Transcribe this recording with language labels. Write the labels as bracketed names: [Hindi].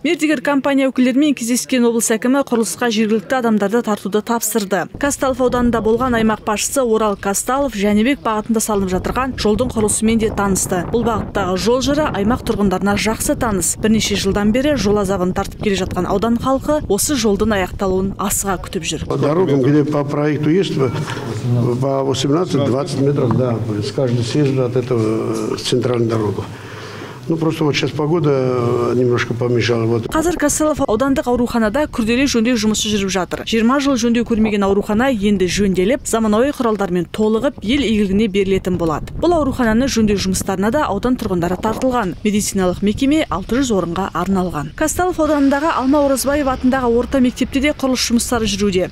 [Kazakh] Мердігер компания өкілдерімен кездескен облыс әкімі құрылысқа жергілікті адамдарды тартуды тапсырды. Қазталов ауданында болған аймақ басшысы Орал Қазталов Жәнібек бағытында салынып жатырған жолдың құрылысымен де танысты. Бұл бағыттағы жол жыры аймақ тұрғындарына жақсы таныс. Бірнеше жылдан бері жол азабын тартып келе жатқан аудан халқы осы жолдың аяқталуын асыға күтіп жүр. [Russian] Дорога, где по проекту есть, по 18-20 метров, да, с каждой съезда от этого центральной дороги. Ну просто вот сейчас погода немножко помешала. [Kazakh] Қазір Касылов аудандық ауруханада күрделі жөндеу жұмысы жүріп жатыр. 20 жыл жөндеу көрмеген аурухана енді жөнделіп, заманауи құралдармен толығып, ел игілігіне берілетін болады. Бұл аурухананы жөндеу жұмыстарына да аудан тұрғындары тартылған. Медициналық мекеме 600 орынға арналған. Касылов ауданындағы Алма Оразбаев атындағы орта мектепте де құрылыс жұмыстары жүруде.